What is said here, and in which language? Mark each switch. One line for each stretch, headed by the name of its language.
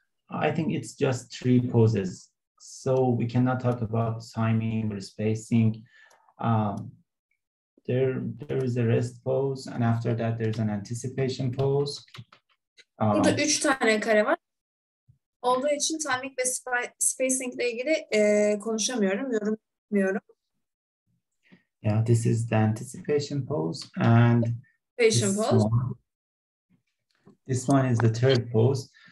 English: I think it's just three poses. So we cannot talk about timing or spacing. There is a rest pose, and after that there's an anticipation pose.
Turkish: Burada üç tane kare var. Olduğu için timing ve spacing ile ilgili konuşamıyorum, yorumlamıyorum.
English: Yeah, this is the anticipation pose and anticipation pose. This one is the third pose.